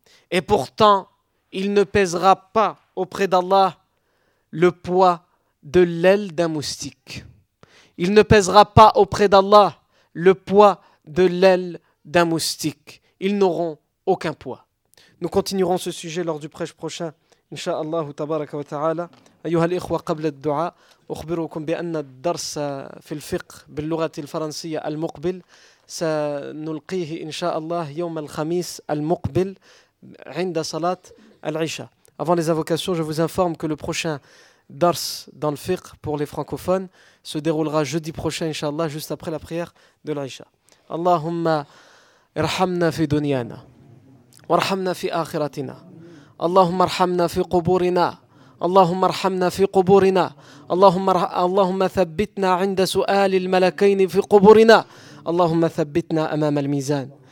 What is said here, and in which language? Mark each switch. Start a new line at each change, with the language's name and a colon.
French: Et pourtant, il ne pèsera pas auprès d'Allah le poids de l'aile d'un moustique. Il ne pèsera pas auprès d'Allah le poids de l'aile d'un moustique. Ils n'auront aucun poids. Nous continuerons ce sujet lors du prêche prochain.
Arabic: Inch'Allah, tabaraka wa ta'ala. أيها الإخوة قبل الدعاء أخبركم بأن الدرس في الفقه باللغة الفرنسية المقبل سنلقيه إن شاء الله يوم الخميس المقبل عند صلاة العشاء.
French: Avant les invocations, je vous informe que le prochain dars dans le fiqh pour les francophones se déroulera jeudi prochain
Arabic: إن شاء الله
French: juste après la prière de العشاء.
Arabic: اللهم ارحمنا في دنيانا وارحمنا في آخرتنا اللهم ارحمنا في قبورنا اللهم ارحمنا في قبورنا اللهم ثبتنا عند سؤال الملكين في قبورنا اللهم ثبتنا أمام الميزان